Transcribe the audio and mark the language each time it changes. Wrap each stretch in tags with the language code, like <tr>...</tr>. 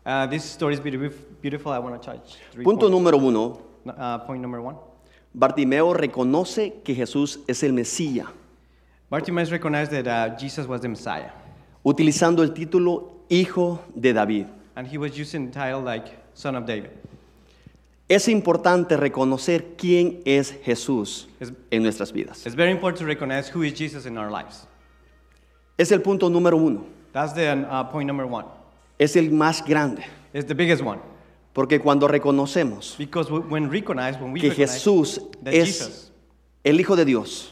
<en>This story is beautiful. I want to touch three</en> <es>Punto</es> <en>points.</en> <es>Número uno.</es> <en>Point number one.</en> <es>Bartimeo reconoce que Jesús es el Mesías. Bartimeo reconoce que Jesús es el Mesías. Utilizando el título Hijo de David.</es> <en>And he was using the title like Son of David.</en> <es>Es importante reconocer quién es Jesús en nuestras vidas.</es> <en>It's very important to recognize who is Jesus in our lives.</en> <es>Es el punto número uno.</es> <en>That's the point number one.</en> <es>Es el más grande.</es> <en>It's the biggest one.</en> <es>Porque cuando reconocemos</es> <en>when we recognize</en> <es>Jesús</es> <en>that</en> <es>es el Hijo de Dios,</es>